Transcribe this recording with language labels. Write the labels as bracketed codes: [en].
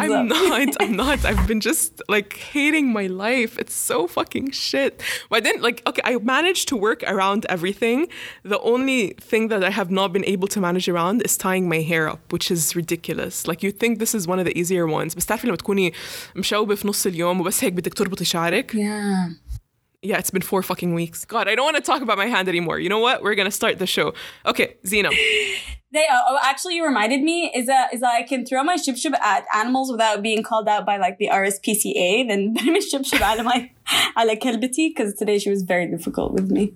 [en] I'm up. I'm not. I've been just like hating my life. It's so fucking shit. But then I managed to work around everything. The only thing that I have not been able to manage around is tying my hair up, which is ridiculous. Like you think this is one of the easier ones. [ar] بس تعرفي لما تكوني مشاوبة في نص اليوم وبس هيك بدك تربطي شعرك. [en] Yeah. Yeah, it's been 4 fucking weeks. God, I don't want to talk about my hand anymore. You know what? We're going to start the show. Okay, Zina. Actually, you reminded me. Is that I can throw my shibshib at animals without being called out by like the RSPCA. Then I'm a shibshib at my kelbiti because today she was very difficult with me.